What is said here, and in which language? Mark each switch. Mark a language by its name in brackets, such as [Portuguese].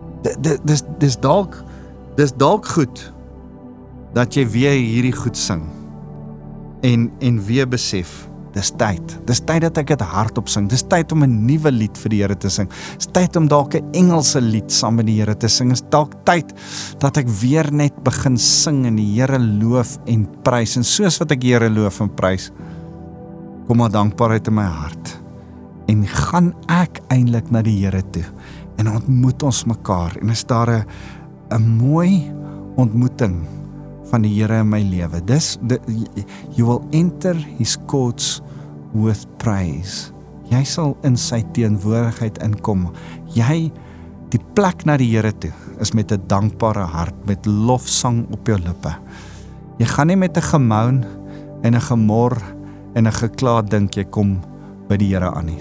[Afrikaans] Dis dalk goed dat jy weer hierdie goed sing en weer besef, dis tyd dat ek het hart op sing, dis tyd om 'n nuwe lied vir die Here te sing, dis tyd om dalk 'n Engelse lied saam met die Here te sing, is dalk tyd dat ek weer net begin sing en die Here loof en prys, en soos wat ek die Here loof en prys, kom maar dankbaarheid in my hart, en gaan ek eindelijk na die Here toe, en ontmoet ons mekaar, en is daar 'n mooi ontmoeting van die Here in my lewe. [English] You will enter his courts with praise. [Afrikaans] Jy sal in sy teenwoordigheid inkom. Jy, die plek na die Here toe, is met 'n dankbare hart, met lofsang op jou lippe. Jy gaan nie met 'n gemoun en 'n gemor en 'n gekla dink jy kom by die Here aan nie.